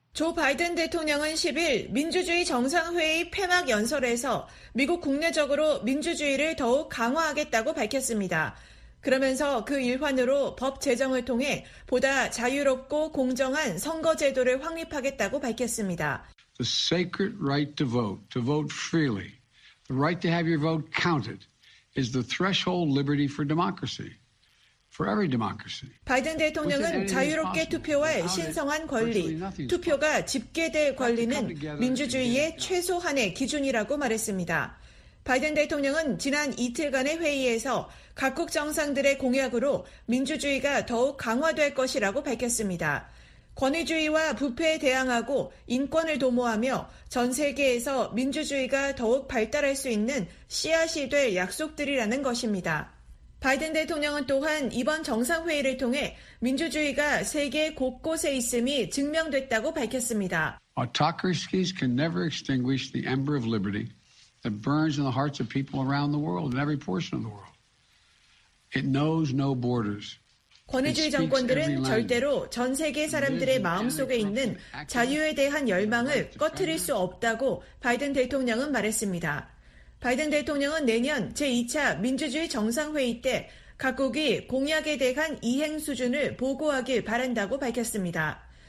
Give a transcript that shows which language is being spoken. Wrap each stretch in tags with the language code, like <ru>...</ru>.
<ko>조 바이든 대통령은 10일 민주주의 정상회의 폐막 연설에서 미국 국내적으로 민주주의를 더욱 강화하겠다고 밝혔습니다. 그러면서 그 일환으로 법 제정을 통해 보다 자유롭고 공정한 선거 제도를 확립하겠다고 밝혔습니다.</ko> <en>The sacred right to vote, to vote freely, the right to have your vote counted is the threshold liberty for democracy.</en> <ko>바이든 대통령은 자유롭게 투표할 신성한 권리, 투표가 집계될 권리는 민주주의의 최소한의 기준이라고 말했습니다. 바이든 대통령은 지난 이틀간의 회의에서 각국 정상들의 공약으로 민주주의가 더욱 강화될 것이라고 밝혔습니다. 권위주의와 부패에 대항하고 인권을 도모하며 전 세계에서 민주주의가 더욱 발달할 수 있는 씨앗이 될 약속들이라는 것입니다. 바이든 대통령은 또한 이번 정상회의를 통해 민주주의가 세계 곳곳에 있음이 증명됐다고 밝혔습니다.</ko> <en>Autocracies can never extinguish the ember of liberty that burns in the hearts of people around the world in every portion of the world. It knows no borders.</en> <ko>권위주의 정권들은 절대로 전 세계 사람들의 마음속에 있는 자유에 대한 열망을 꺼뜨릴 수 없다고 바이든 대통령은 말했습니다. 바이든 대통령은 내년 제2차 민주주의 정상회의 때 각국이 공약에 대한 이행 수준을 보고하길 바란다고 밝혔습니다.</ko>